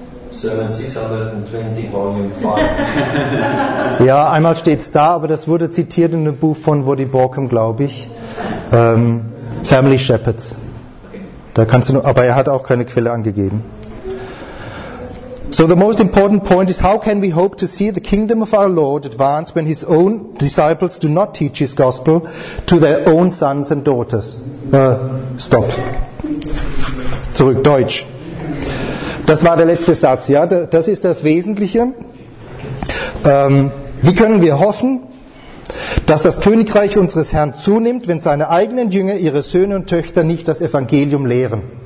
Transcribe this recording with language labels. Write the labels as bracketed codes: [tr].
[en] Sermon 620, Volume 5. [de] Ja, einmal steht es da, aber das wurde zitiert in einem Buch von Woody Borkum, glaube ich. Family Shepherds. Da kannst du nur, aber er hat auch keine Quelle angegeben. [en] So the most important point is, how can we hope to see the kingdom of our Lord advance when his own disciples do not teach his gospel to their own sons and daughters? [de] Stop. Zurück, Deutsch. Das war der letzte Satz, ja. Das ist das Wesentliche. Wie können wir hoffen, dass das Königreich unseres Herrn zunimmt, wenn seine eigenen Jünger, ihre Söhne und Töchter nicht das Evangelium lehren?